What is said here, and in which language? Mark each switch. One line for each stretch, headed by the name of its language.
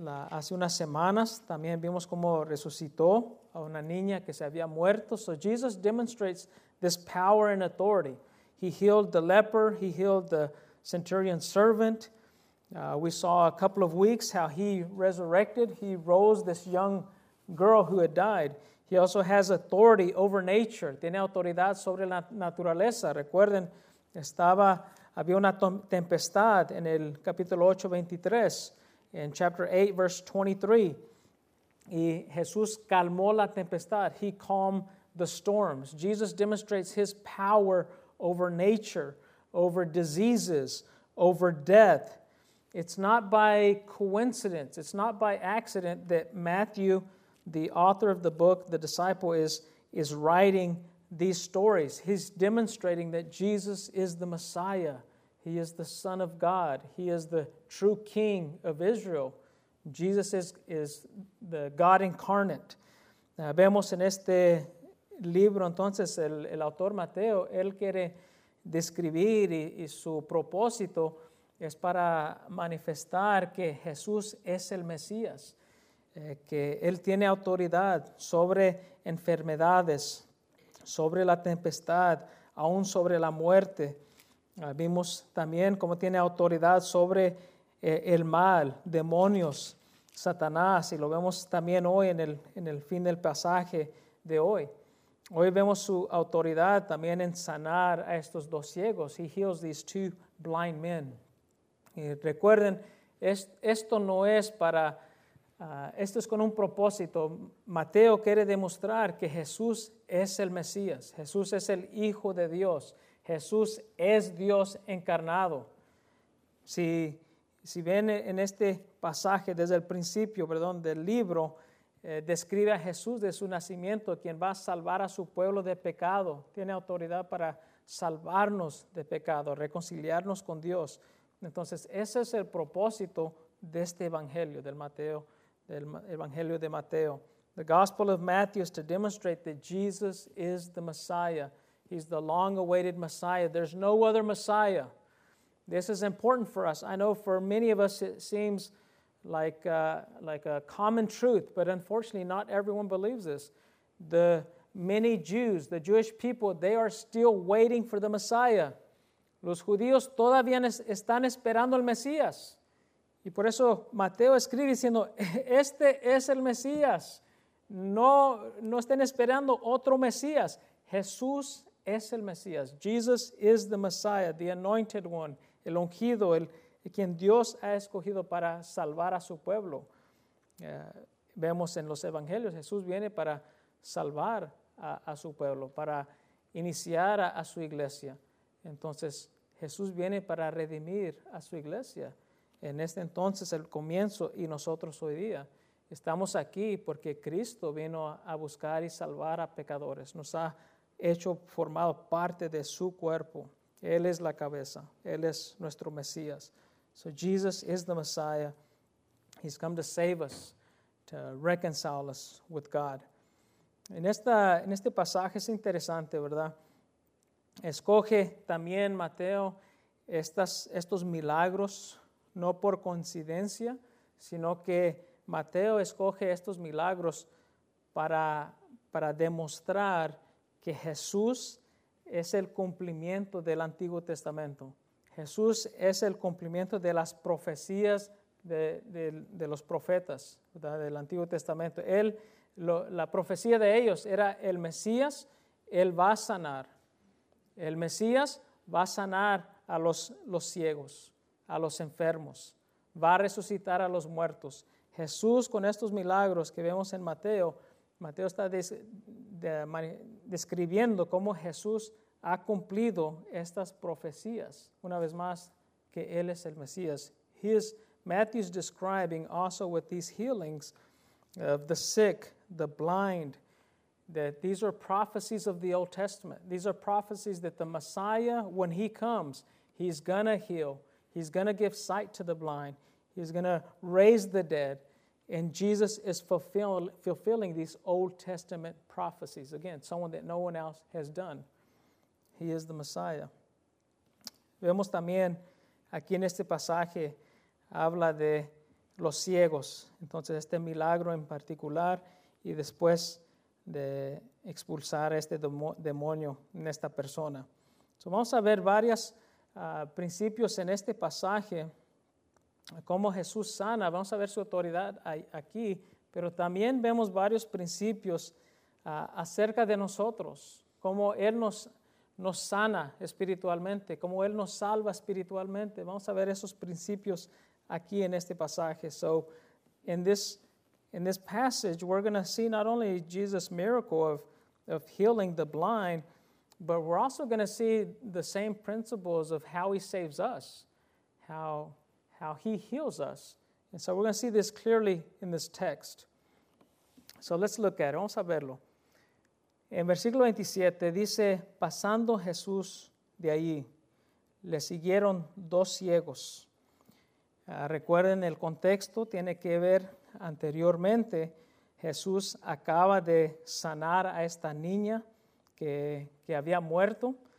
Spanish: Hace unas semanas también vimos cómo resucitó a una niña que se había muerto.
English: So Jesus demonstrates this power and authority. He healed the leper, he healed the centurion's servant. We saw a couple of weeks how he resurrected, he rose this young girl who had died. He also has authority over nature.
Spanish: Tiene autoridad sobre la naturaleza. Recuerden, había una tempestad en el capítulo 8, 23, en
English: chapter 8, verse 23.
Spanish: Y Jesús calmó la tempestad.
English: He calmed the storms. Jesus demonstrates his power over nature, over diseases, over death. It's not by coincidence, it's not by accident that Matthew, the author of the book, the disciple, is writing these stories. He's demonstrating that Jesus is the Messiah. He is the Son of God. He is the true King of Israel. Jesus is the God incarnate.
Spanish: Vemos en este libro, entonces, el autor Mateo, él quiere describir y su propósito es para manifestar que Jesús es el Mesías. Que él tiene autoridad sobre enfermedades, sobre la tempestad, aún sobre la muerte. Vimos también cómo tiene autoridad sobre el mal, demonios, Satanás, y lo vemos también hoy en el fin del pasaje de hoy. Hoy vemos su autoridad también en sanar a estos dos ciegos. He heals these two blind men. Y recuerden, esto no es para... Esto es con un propósito. Mateo quiere demostrar que Jesús es el Mesías. Jesús es el Hijo de Dios. Jesús es Dios encarnado. Si ven en este pasaje desde el principio, perdón, del libro, describe a Jesús de su nacimiento, quien va a salvar a su pueblo de pecado. Tiene autoridad para salvarnos de pecado, reconciliarnos con Dios. Entonces, ese es el propósito de este evangelio, del Evangelio de Mateo.
English: The Gospel of Matthew is to demonstrate that Jesus is the Messiah. He's the long-awaited Messiah. There's no other Messiah. This is important for us. I know for many of us it seems like a common truth, but unfortunately not everyone believes this. The many Jews, the Jewish people, they are still waiting for the Messiah.
Spanish: Los judíos todavía están esperando el Mesías. Y por eso Mateo escribe diciendo, este es el Mesías. No estén esperando otro Mesías. Jesús es el Mesías.
English: Jesus is the Messiah, the anointed one,
Spanish: el ungido, el quien Dios ha escogido para salvar a su pueblo. Vemos en los evangelios, Jesús viene para salvar a su pueblo, para iniciar a su iglesia. Entonces, Jesús viene para redimir a su iglesia. En este entonces, el comienzo, y nosotros hoy día, estamos aquí porque Cristo vino a buscar y salvar a pecadores. Nos ha hecho formado parte de su cuerpo. Él es la cabeza. Él es nuestro Mesías.
English: So Jesus is the Messiah. He's come to save us, to reconcile us with God.
Spanish: En este pasaje es interesante, ¿verdad? Escoge también Mateo estos milagros, no por coincidencia, sino que Mateo escoge estos milagros para demostrar que Jesús es el cumplimiento del Antiguo Testamento. Jesús es el cumplimiento de las profecías de los profetas, ¿verdad? Del Antiguo Testamento. La profecía de ellos era el Mesías, él va a sanar. El Mesías va a sanar a los ciegos, a los enfermos. Va a resucitar a los muertos. Jesús, con estos milagros que vemos en Mateo, Mateo está describiendo cómo Jesús ha cumplido estas profecías. Una vez más, que Él es el Mesías.
English: Matthew's describing also with these healings of the sick, the blind, that these are prophecies of the Old Testament. These are prophecies that the Messiah, when He comes, He's going to heal. He's going to give sight to the blind. He's going to raise the dead. And Jesus is fulfilling these Old Testament prophecies. Again, someone that no one else has done. He is the Messiah.
Spanish: Vemos también aquí en este pasaje, habla de los ciegos. Entonces, este milagro en particular, y después de expulsar este demonio en esta persona. So, vamos a ver varios principios en este pasaje, cómo Jesús sana, vamos a ver su autoridad aquí, pero también vemos varios principios acerca de nosotros, cómo Él nos sana espiritualmente, cómo Él nos salva espiritualmente. Vamos a ver esos principios aquí en este pasaje.
English: So, in this passage, we're going to see not only Jesus' miracle of healing the blind, but we're also going to see the same principles of how He saves us, how He heals us. And so we're going to see this clearly in this text. So let's look at it.
Spanish: Vamos a verlo. En versículo 27 dice, pasando Jesús de allí, le siguieron dos ciegos. Recuerden el contexto, tiene que ver anteriormente. Jesús acaba de sanar a esta niña que había muerto.